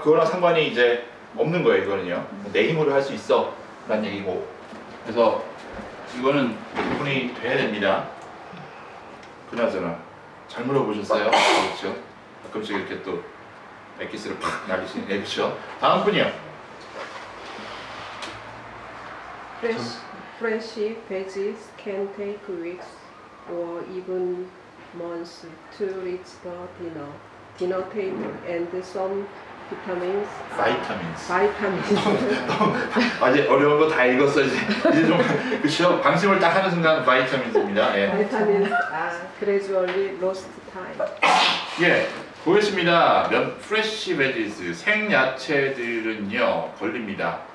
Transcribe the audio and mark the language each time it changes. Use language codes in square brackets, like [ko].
[ko] 그거랑 상관이 이제 없는 거예요. 이거는요. 내 힘으로 할 수 있어 라는 얘기고 그래서 이거는 구분이 돼야 됩니다. 그나저나 잘 물어보셨어요. 그렇죠? 가끔씩 이렇게 또 액기스를 팍 날리시는 네, 그렇죠? 다음 분이요. [en] Fresh veggies can take weeks or even months to reach the dinner table and some vitamins. Vitamins. [ko] 너무 이제 어려운 거 다 읽었어 이제 좀 그쵸? 방심을 딱 하는 순간 vitamins입니다. 예. [en] Vitamins are gradually lost time. [ko] 예, 보겠습니다. 몇 [en] fresh veggies [ko] 생 야채들은요 걸립니다.